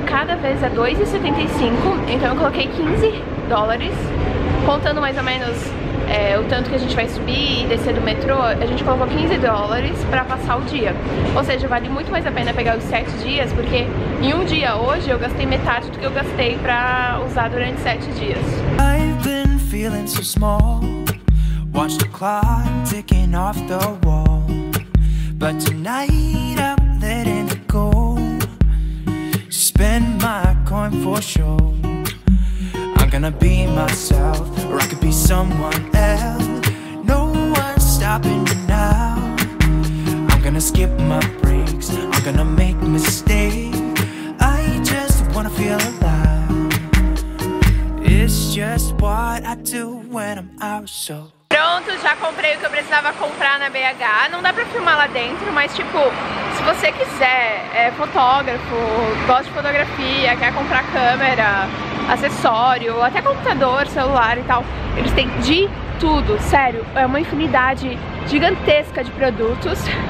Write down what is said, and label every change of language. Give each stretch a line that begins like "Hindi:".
Portuguese: Cada vez é 2,75, então eu coloquei 15 dólares, contando mais ou menos o tanto que a gente vai subir e descer do metrô, a gente colocou 15 dólares pra passar o dia. Ou seja, vale muito mais a pena pegar os 7 dias, porque em um dia hoje eu gastei metade do que eu gastei pra usar durante 7 dias.
English: I've been feeling so small, watch the clock ticking off the wall. But tonight I'm letting it go, spend my coin for show. I'm gonna be myself, or I could be someone else. No one's stopping me now. I'm gonna skip my breaks, I'm gonna make mistakes. I just wanna feel alive. It's just what I do when I'm out, so.
Portuguese: Pronto, já comprei o que eu precisava comprar na BH. Não dá pra filmar lá dentro, mas tipo, se você quiser, é fotógrafo, gosta de fotografia, quer comprar câmera, acessório, até computador, celular e tal, eles têm de tudo, sério, é uma infinidade gigantesca de produtos.